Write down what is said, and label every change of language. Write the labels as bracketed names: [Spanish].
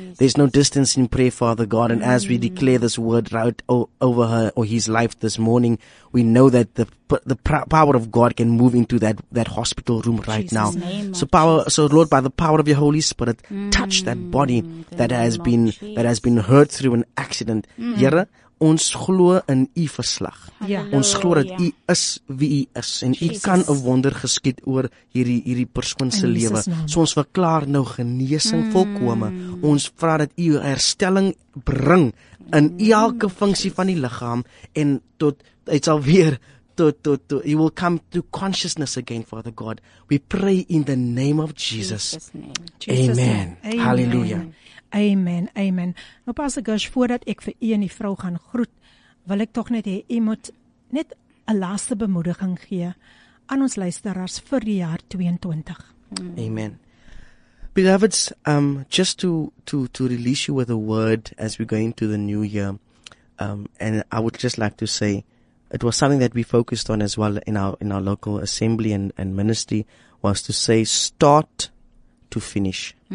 [English] There's no distance in prayer, Father God. And as we declare this word right over her or his life this morning, we know that the power of God can move into that hospital room right now. So Lord, by the power of your Holy Spirit, touch that body that has been hurt through an accident. [Afrikaans] Here, ons glo in u verslag. Ons glo dat u is wie u is en u kan 'n wonder geskied oor hierdie persoon se lewe. So ons verklaar nou genesing volkome. Ons vra dat u herstelling bring in elke funksie van die liggaam en tot dit sal weer tot [English] you will come to consciousness again, Father God. We pray in the name of Jesus. Amen. Hallelujah. Amen, amen. [Afrikaans] Nou Pastor Gush, voordat ek vir u en die vrou gaan groet, wil ek tog net hê u moet net 'n laaste bemoediging gee aan ons luisteraars vir die jaar 22. Amen. [English] Beloveds, just to release you with a word as we go into the new year, and I would just like to say it was something that we focused on as well in our local assembly and ministry, was to say start to finish.